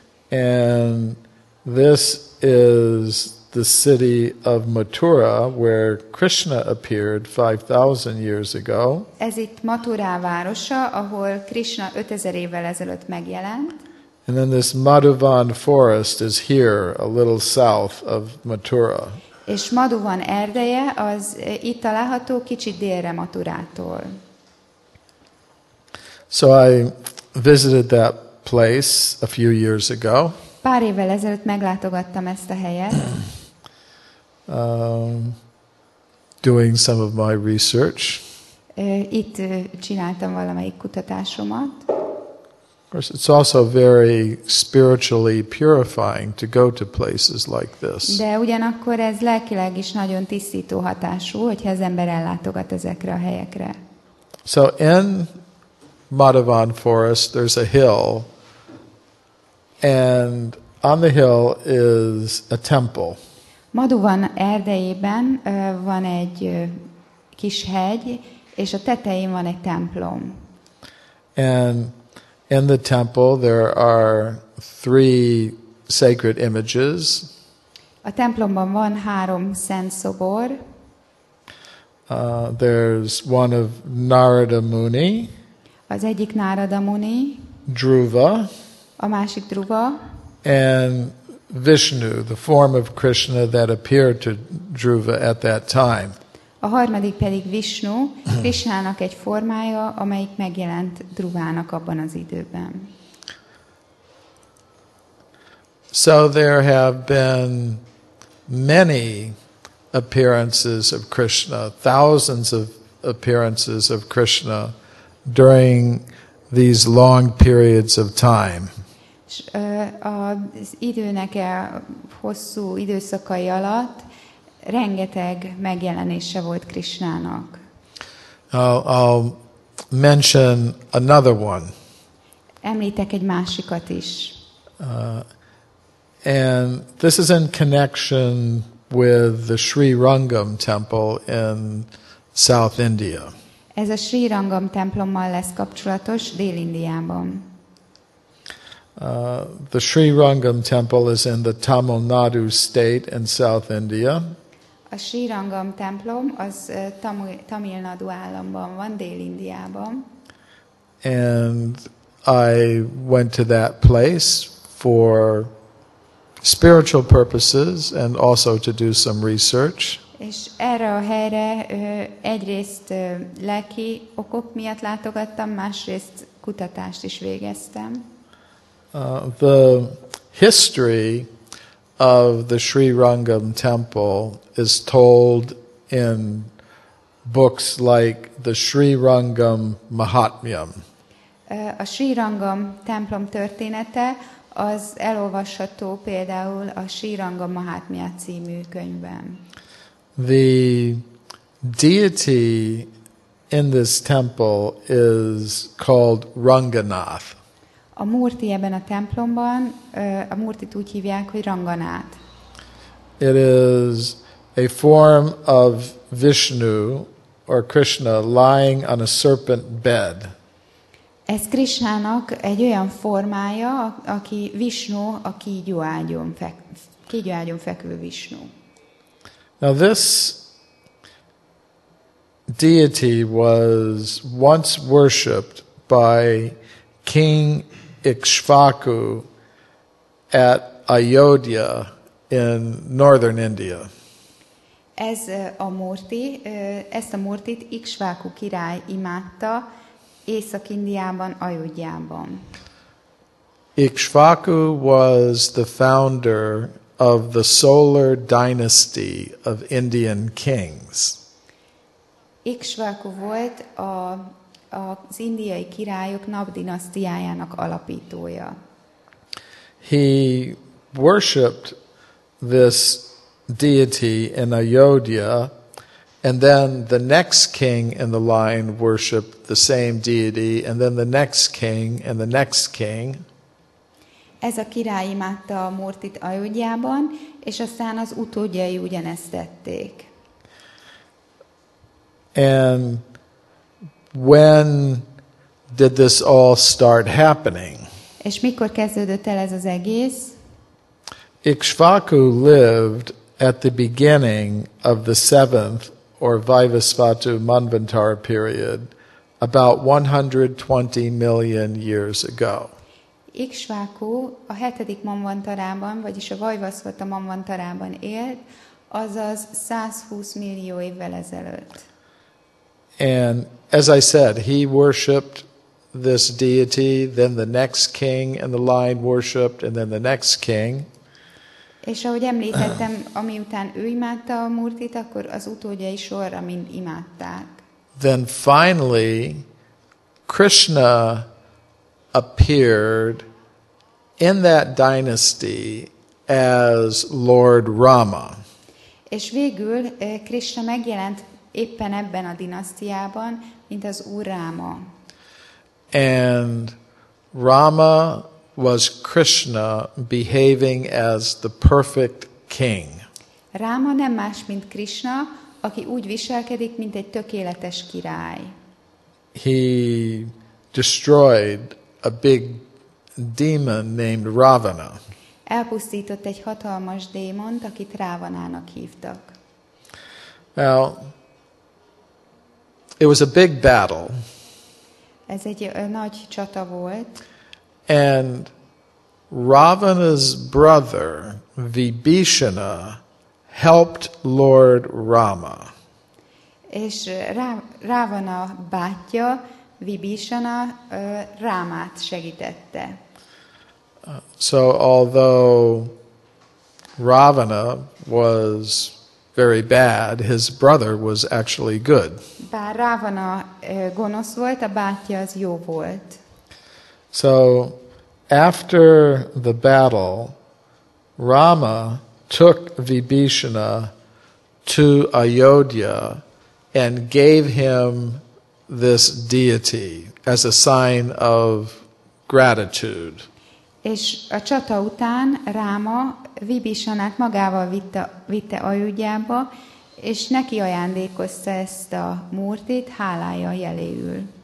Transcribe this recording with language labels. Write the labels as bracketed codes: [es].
[en] And this is the city of Mathura, where Krishna appeared 5,000 years ago. [hu] Ez itt Mathura városa, ahol Krishna 5000 évvel ezelőtt megjelent. [en] And then this Madhuvan forest is here, a little south of Mathura. [hu] És Madhuvan erdeje az itt található, kicsit délre Mathurától. [en] So I visited that place a few years ago. [hu] Pár évvel ezelőtt meglátogattam ezt a helyet. [en] Doing some of my research. [hu] Itt csináltam valamelyik kutatásomat. [en] Of course, it's also very spiritually purifying to go to places like this. [hu] De ugyanakkor ez lelkileg is nagyon tisztító hatású, hogyha az ember ellátogat ezekre a helyekre. [en] So in Madhavan Forest, there's a hill, and on the hill is a temple. [hu] Madhavan erdejében van egy kis hegy, és a tetején van egy templom. [en] And in the temple there are three sacred images. [hu] A templomban van három szent szobor. [en] There's one of Narada Muni. [hu] Az egyik Narada Muni. [en] Dhruva. [hu] A másik Dhruva. [en] And Vishnu, the form of Krishna that appeared to Dhruva at that time. [hu] A harmadik pedig Vishnu, Krishnának egy formája, amelyik megjelent Dhruvának abban az időben. [en] So there have been many appearances of Krishna, thousands of appearances of Krishna during these long periods of time. [hu] Az időnek hosszú időszakai alatt rengeteg megjelenése volt Krishnának. [en] I'll mention another one. [hu] Említek egy másikat is. [en] And this is in connection with the Sri Rangam temple in South India. [hu] Ez a Sri Rangam templommal lesz kapcsolatos Dél-Indiában. [en] The Sri Rangam temple is in the Tamil Nadu state in South India. [hu] A Sri Rangam templom az Tamil Nadu államban van, Dél-Indiában. [en] And I went to that place for spiritual purposes and also to do some research. [hu] És erre a helyre egyrészt lelki okok miatt látogattam, másrészt kutatást is végeztem. [en] The history of the Sri Rangam temple is told in books like the Sri Rangam Mahatmyam. [hu] A Sri Rangam templom története az elolvasható például a Sri Rangam Mahatmya című könyvben. [en] The deity in this temple is called Ranganath. [hu] A murti ebben a templomban, a murtit úgy hívják, hogy Ranganath. [en] It is a form of Vishnu or Krishna lying on a serpent bed. [hu] Ez Krishnának egy olyan formája, aki Vishnu, a kígyóágyon fekvő Vishnu. [en] Now this deity was once worshipped by King Ikshvaku at Ayodhya in northern India. [hu] Ez a murti, ezt a murtit Ikshvaku király imádta Észak-Indiában, Ayodhyában. [en] Ikshvaku was the founder of the solar dynasty of Indian kings. [hu] Ikshvaku volt az indiai királyok napdinasztiájának alapítója. [en] He worshipped this deity in Ayodhya, and then the next king in the line worshipped the same deity, and then the next king, and the next king. [hu] Ez a király imádta a murtit Ayodhyában, és aztán az utódjai ugyanezt tették. [en] And when did this all start happening? [hu] És mikor kezdődött el ez az egész? [en] Ikshvaku lived at the beginning of the 7th or Vaivasvata Manvantara period about 120 million years ago. [hu] Ikshvaku a 7. Manvantarában, vagyis a Vaivasvata Manvantarában élt, azaz 120 millió évvel ezelőtt. [en] And as I said, he worshipped this deity, then the next king and the line worshipped, and then the next king. [hu] És ahogy említettem, amiután ő imádta a murtit, akkor az utódjai sorra mind imádták. [en] Then finally, Krishna appeared in that dynasty as Lord Rama. [hu] És végül Krishna megjelent éppen ebben a dinasztiában, mint az Úr Ráma. [en] And Rama was Krishna behaving as the perfect king. [hu] Ráma nem más, mint Krishna, aki úgy viselkedik, mint egy tökéletes király. [en] He destroyed a big demon named Ravana. [hu] Elpusztított egy hatalmas démont, akit Ravanának hívtak. [en] Now, it was a big battle. [hu] Ez egy nagy csata volt. [en] And Ravana's brother, Vibhishana, helped Lord Rama. [hu] És Ravana bátyja, Vibhishana, Rámát segítette. [en] So although Ravana was very bad, his brother was actually good. [hu] Bár Ravana gonosz volt, a bátyja az jó volt. [en] So after the battle, Rama took Vibhishana to Ayodhya and gave him this deity as a sign of gratitude. [hu] És a csata után Ráma Vibhishanát magával vitte Ayodhyába, és neki ajándékozta ezt a múrtit hálája jeléül.